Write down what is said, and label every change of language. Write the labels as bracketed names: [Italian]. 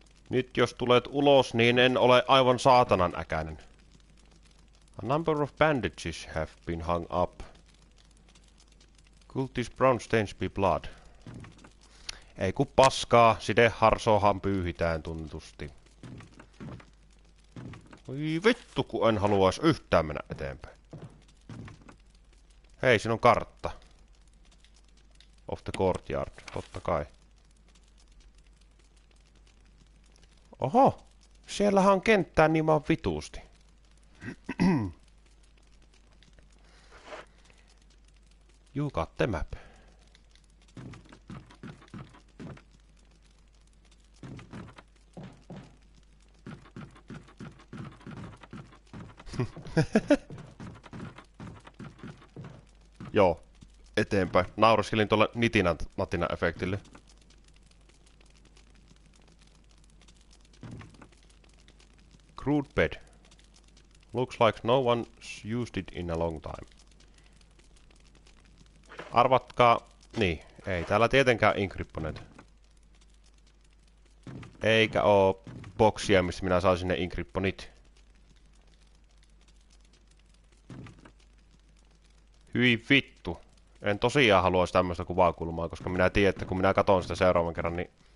[Finnish] Nyt jos tulet ulos, niin en ole aivan saatanan äkäinen. [English] A number of bandages have been hung up. Could these brown stains be blood? [Finnish] Ei ku paskaa, side harsohan pyyhitään tunnetusti. Oi vittu, kun en haluais yhtään mennä eteenpäin. Hei, siinä on kartta. [English] Of the courtyard, [Finnish] totta kai. Oho! Siellähän on kenttää niin maan vituusti. [English] You got the map. [Finnish] Joo, eteenpäin. Nauriskelin tuolle nitinän natina efektille. [English] Crude bed. Looks like no one's used it in a long time. [Finnish] Arvatkaa... Niin, ei täällä tietenkään inkrypponeet. Eikä oo boksia, missä minä saisin ne inkrypponit. Hyi vittu. En tosiaan haluaisi tämmöstä kuvakulmaa, koska minä tiedän, että kun minä katon sitä seuraavan kerran, niin...